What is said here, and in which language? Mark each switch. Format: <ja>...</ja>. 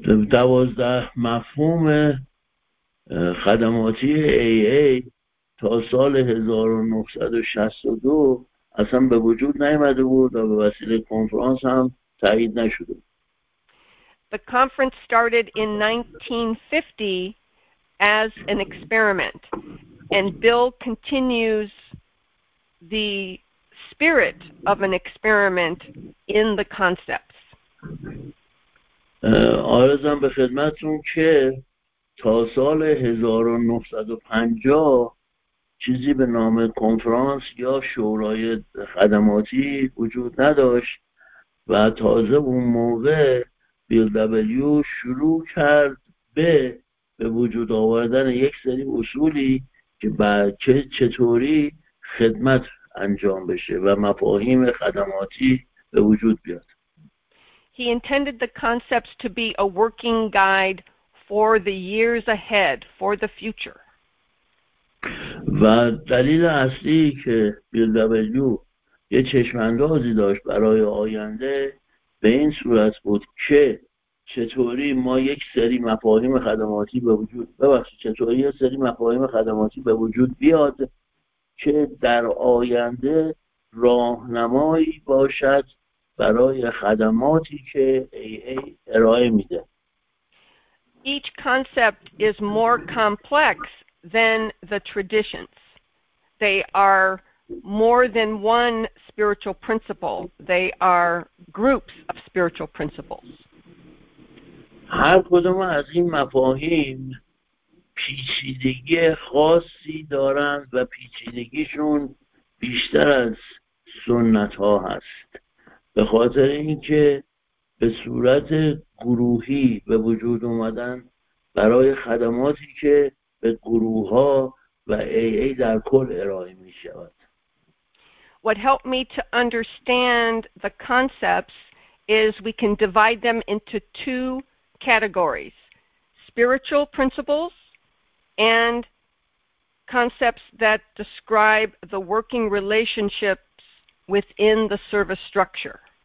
<fa>دوازده مفهوم خدماتی AA تا سال 1962 اصلا به وجود نیامده بود و به وسیله کنفرانس هم تایید نشده.</fa> <en>The conference started in 1950 as an experiment, and Bill continues the spirit of an experiment in the concepts.</en> <fa>آرزم به خدمتتون که تا سال 1950 چیزی به نام کنفرانس یا شورای خدماتی وجود نداشت و تازه اون موقع بیل دبلیو شروع کرد به وجود آوردن یک سری اصولی که چطوری خدمت انجام بشه و مفاهیم خدماتی به وجود بیاد.</fa> <en>He intended the concepts to be a working guide for the years ahead, for the future.</en> <fa>و دلیل اصلی که بیل دبلیو یه چشم‌اندازی داشت برای آینده به این صورت بود که چطوری ما یک سری مفاهیم خدماتی به وجود بیاد که در آینده راهنمایی باشد برای خدماتی که AA ارائه میده.</fa> <en>Each concept is more complex than the traditions. They are more than one spiritual principle. They are groups of spiritual principles.</en> <fa>هر کدوم از این مفاهیم پیچیدگی خاصی دارند و پیچیدگیشون بیشتر از سنت ها هست، به خاطر اینکه به صورت گروهی به وجود اومدن برای خدماتی که به گروه ها و AA در کل ارائه می شود.</fa> <en>What helped me to understand the concepts is we can divide them into two categories, spiritual principles and concepts that describe the working relationships within the service structure.</en>